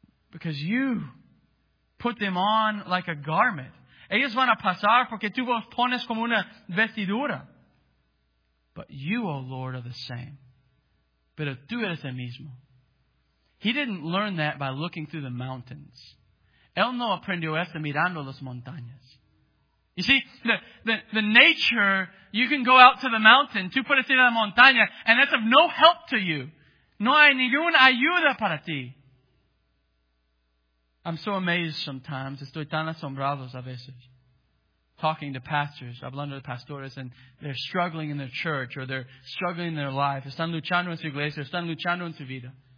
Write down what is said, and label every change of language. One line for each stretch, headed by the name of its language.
English: Because you put them on like a garment.
Spanish: Ellos van a pasar porque tú los pones como una vestidura.
English: But you, O Lord, are the same.
Spanish: Pero tú eres el mismo.
English: He didn't learn that by looking through the mountains.
Spanish: Él no aprendió esto mirando las montañas.
English: You see, the nature, you can go out to the mountain,
Spanish: tú puedes ir a la montaña,
English: and that's of no help to you.
Spanish: No hay ninguna ayuda para ti.
English: I'm so amazed sometimes.
Spanish: Estoy tan asombrado a veces.
English: Talking to pastors,
Spanish: hablando de pastores,
English: and they're struggling in their church or they're struggling in their life.
Spanish: Están luchando en su iglesia, están luchando en su vida.